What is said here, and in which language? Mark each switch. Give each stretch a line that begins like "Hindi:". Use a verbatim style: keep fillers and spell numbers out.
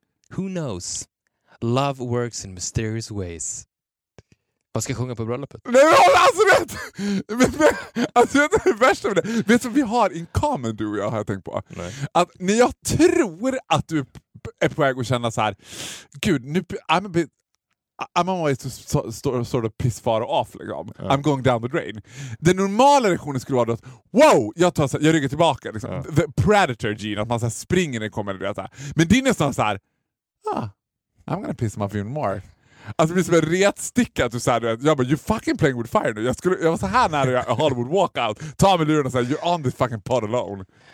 English: Who knows? Love works in mysterious ways.
Swedish: Vad ska jag sjunga på bröllopet? Nej, alltså vet du alltså, vet det värsta med det? Vet du som vi har in common, du och jag, har jag tänkt på? Nej. Att när jag tror att du är på väg att känna så här, gud, nu...
English: I'm a bit, I'm always so, so, sort of piss far off, liksom.
Swedish: Ja.
English: I'm going down the drain.
Swedish: Den normala reaktionen skulle vara att wow, jag, tar så här, jag ryggar tillbaka. Liksom. Ja.
English: The predator gene,
Swedish: att man så här, springer när det kommer. Det, så här. Men det är nästan så här, ah,
English: I'm gonna piss him off even more.
Swedish: Alltså det blir som en retsticka att du såhär, jag bara,
English: you fucking playing with fire
Swedish: nu. Jag, skulle, jag var så här nära jag Hollywood walkout. Ta med luren och säga,
English: you're on this fucking pod alone.